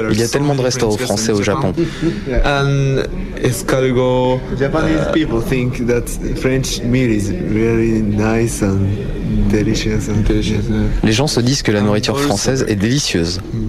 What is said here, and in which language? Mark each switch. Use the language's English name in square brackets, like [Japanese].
[French] Il y a tellement de restaurants français au Japon. [English] And escargot. Japanese people think that French meat is really nice and delicious. [French] Les gens se disent que la nourriture française est délicieuse.